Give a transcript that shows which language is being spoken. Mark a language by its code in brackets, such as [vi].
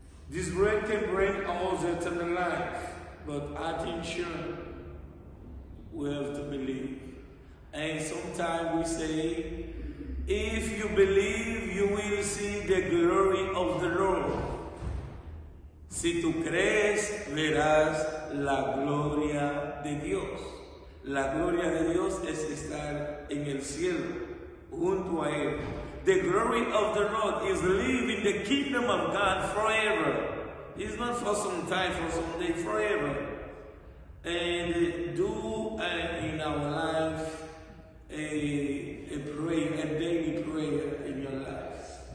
[en] This bread can bring us eternal life. But attention, we have to believe. And sometimes we say, if you believe, you will see the glory of the Lord. [es] Si tú crees, verás la gloria de Dios. La gloria de Dios es estar en el cielo, junto a Él. [en] The glory of the Lord is live in the kingdom of God forever. It's not for some time, for some day, forever. And do in our life a prayer, a daily prayer in your life.